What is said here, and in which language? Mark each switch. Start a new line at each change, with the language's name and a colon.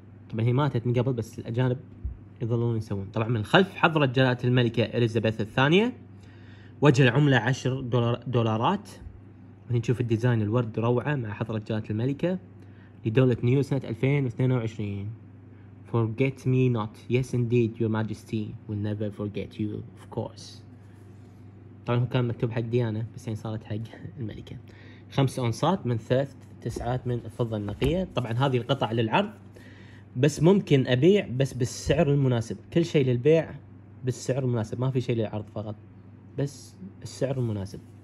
Arabic: طبعا هي ماتت من قبل بس الأجانب يظلون يسوون. طبعا من الخلف حضرة جلالة الملكة إليزابيث الثانية، وجه العملة 10 دولارات. نشوف الديزاين، الورد روعة مع حضرة جلالة الملكة لدولة نيو سنة 2022.
English: Forget me not, yes indeed your majesty will never forget you of course.
Arabic: طبعا هو كان مكتوب حق ديانا بس يعني صارت حق الملكة. 5 أونصات من 3 تسعات من الفضة النقية. طبعا هذه القطع للعرض بس، ممكن أبيع بس بالسعر المناسب. كل شيء للبيع بالسعر المناسب، ما في شيء للعرض فقط، بس السعر المناسب.